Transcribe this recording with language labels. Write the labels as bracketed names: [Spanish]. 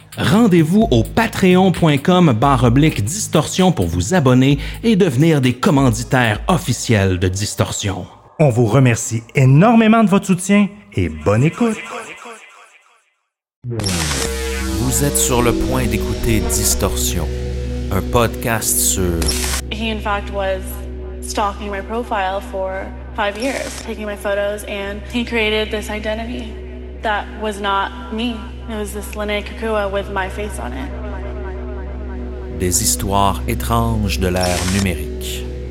[French] Rendez-vous au patreon.com/distorsion pour vous abonner et devenir des commanditaires officiels de Distorsion. On vous remercie énormément de votre soutien et bonne écoute. Vous êtes sur le point d'écouter Distorsion, un podcast sur... [English] He in fact was stalking my profile for 5 years, taking my photos, and he created this identity that was not me. It was this Linnea Kukua with my face on it. [French] Des histoires étranges de l'ère numérique.